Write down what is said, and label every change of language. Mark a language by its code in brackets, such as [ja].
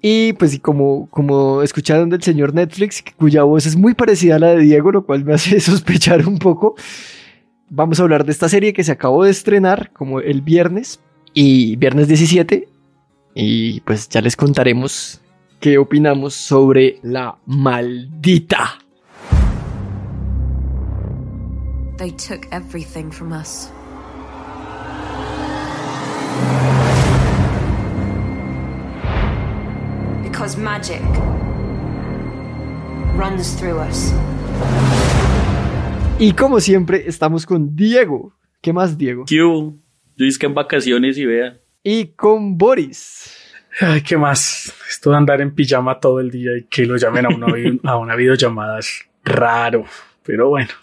[es] Y pues y como escucharon del señor Netflix, cuya voz es muy parecida a la de Diego, lo cual me hace sospechar un poco, vamos a hablar de esta serie que se acabó de estrenar como el viernes, y viernes 17, y pues ya les contaremos qué opinamos sobre La Maldita. [en] They took everything from us. Because magic runs through us. [es] Y como siempre, estamos con Diego. ¿Qué más, Diego? Q. Yo es que en vacaciones y vea. Y con Boris. Ay, ¿qué más? Esto de andar en pijama todo el día y que lo llamen a una videollamada es raro. Pero bueno.